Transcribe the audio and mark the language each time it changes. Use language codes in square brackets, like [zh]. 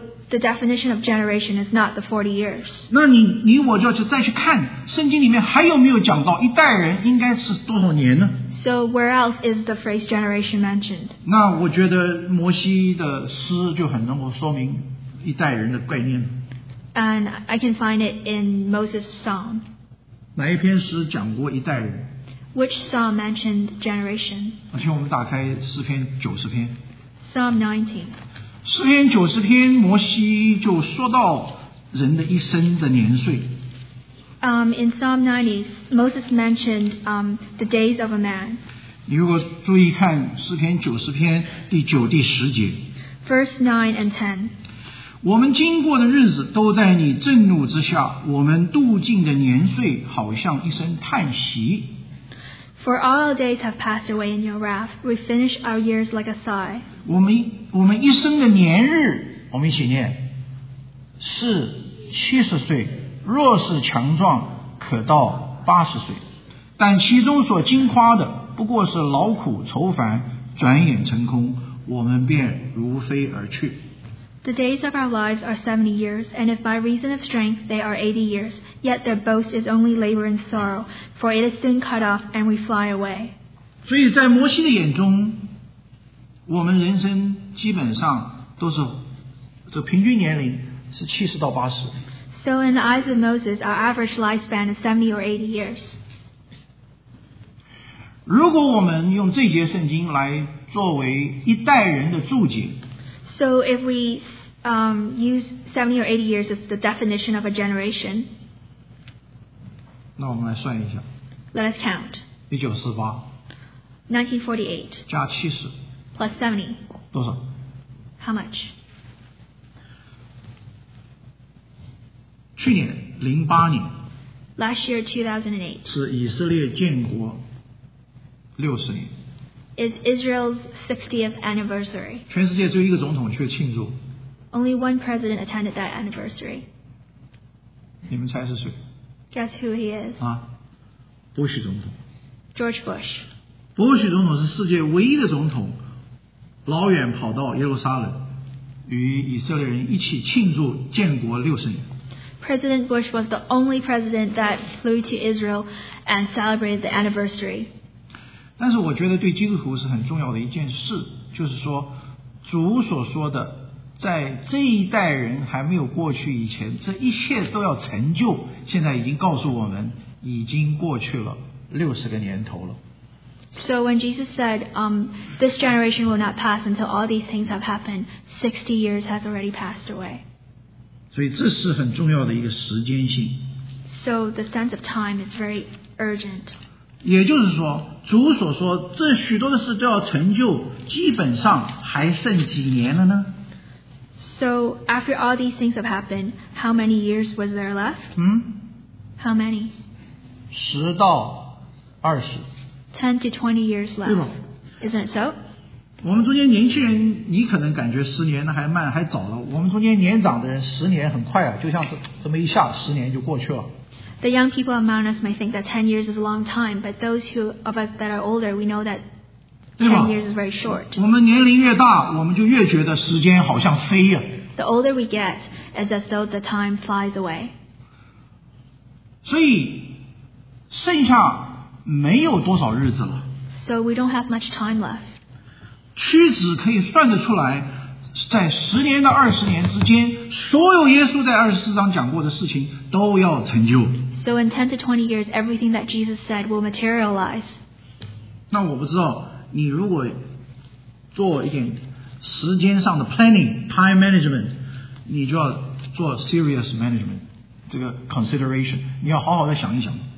[en] The definition of generation is not the 40 years. [zh] 那你我就要去再去看圣经里面还有没有讲到一代人应该是多少年呢？ [en] So where else is the phrase generation mentioned? [zh] 那我觉得摩西的诗就很能够说明一代人的概念。 [en] And I can find it in Moses' song. [zh] 哪一篇诗讲过一代人？ [en] Which psalm mentioned generation? [zh] 请我们打开诗篇九十篇。 [en] Psalm 19. [zh] 诗篇九十篇，摩西就说到人的一生的年岁。 [en] In Psalm 90, Moses mentioned the days of a man. [zh] 你如果注意看诗篇九十篇第九、第十节。 [en] First 9 and 10. [zh] 我们经过的日子都在你震怒之下，我们度尽的年岁好像一声叹息。 [en] For all our days have passed away in your wrath, we finish our years like a sigh. [zh] 我们一生的年日，我们一起念，是70岁，若是强壮，可到80岁。但其中所经夸的，不过是劳苦愁烦，转眼成空，我们便如飞而去。 [en] The days of our lives are 70 years, and if by reason of strength they are 80 years, yet their boast is only labor and sorrow, for it is soon cut off, and we fly away. [zh] 所以在摩西的眼中，我们人生基本上都是这平均年龄是70到80。 [en] So in the eyes of Moses, our average lifespan is 70 or 80 years. [zh] 如果我们用这节圣经来作为一代人的注解， [en] So if we use 70 or 80 years as the definition of a generation, [zh] 那我们来算一下。 [en] Let us count. [zh] 1948. [en] 1948. [zh] 加70. [en] Plus 70. [zh] 多少？ [en] How much? [zh] 去年08年。 [en] Last year 2008. [zh] 是以色列建国60年。 [en] Is Israel's 60th anniversary. [zh] 全世界只有一个总统去庆祝。 [en] Only one president attended that anniversary. [zh] 你们猜是谁？ [en] Guess who he is. [zh] 啊，布什总统。 [en] George Bush. [zh] 布什总统是世界唯一的总统，老远跑到耶路撒冷，与以色列人一起庆祝建国六十年。 [en] President Bush was the only president that flew to Israel and celebrated the anniversary. [zh] 但是我觉得对基督徒是很重要的一件事，就是说主所说的在这一代人还没有过去以前，这一切都要成就，现在已经告诉我们已经过去了60个年头了。 [en] So when Jesus said this generation will not pass until all these things have happened, 60 years has already passed away. [zh] 所以这是很重要的一个时间性。 [en] So the sense of time is very urgent. [zh] 也就是说，主所说这许多的事都要成就，基本上还剩几年了呢？ [en] So after all these things have happened, how many years was there left? Hmm? How many? [zh] 十到二十。 [en] 10 to 20 years left. [zh] 对吧？ [en] Isn't it so? [zh] 我们中间年轻人，你可能感觉十年还慢还早了。我们中间年长的人，十年很快啊，就像这么一下，十年就过去了。 [en] The young people among us might think that 10 years is a long time, but those who of us that are older, we know that 10 years is very short. [zh] 我们年龄越大，我们就越觉得时间好像飞呀。 [en] The older we get, it's as though the time flies away. [zh] 所以剩下没有多少日子了。 [en] So we don't have much time left. [zh] 屈指可以算得出来，在十年到二十年之间，所有耶稣在二十四章讲过的事情都要成就。 [en] So in 10 to 20 years, everything that Jesus said will materialize. [zh] 那我不知道，你如果做一点时间上的 [en] planning, time management, [zh] 你就要做 [en] serious management, [zh] 这个 consideration, 你要好好的想一想。